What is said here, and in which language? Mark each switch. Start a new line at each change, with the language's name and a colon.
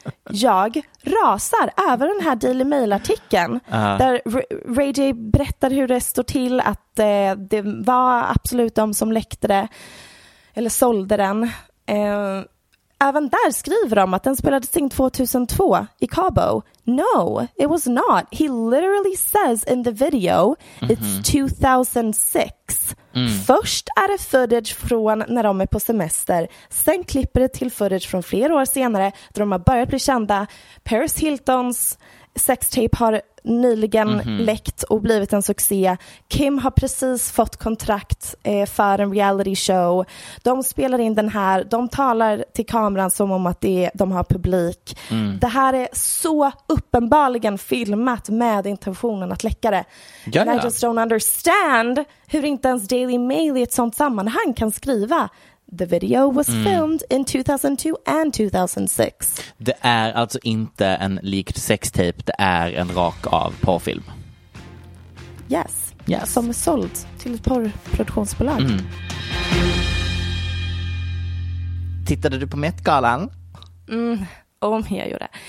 Swedish: Jag rasar över den här Daily Mail-artikeln där Ray J berättar hur det står till, att det var absolut de som läckte det eller sålde den. Även där skriver de att den spelades in 2002 i Cabo.
English: No, it was not. He literally says in the video, it's 2006.
Swedish: Först är det footage från när de är på semester. Sen klipper det till footage från flera år senare, då de har börjat bli kända. Paris Hiltons sextape har nyligen läckt och blivit en succé. Kim har precis fått kontrakt för en reality show. De spelar in den här, de talar till kameran som om att det är, de har publik. Det här är så uppenbarligen filmat med intentionen att läcka det. Ja, ja.
English: I just don't understand
Swedish: hur inte ens Daily Mail i ett sånt sammanhang kan skriva.
English: The video was filmed in 2002 and 2006.
Swedish: Det är alltså inte en leaked sextape. Det är en rak av porrfilm.
English: Yes. Yes.
Swedish: Som är såld till ett porrproduktionsbolag. Mm. Tittade du på Met-galan? Om jag gjorde.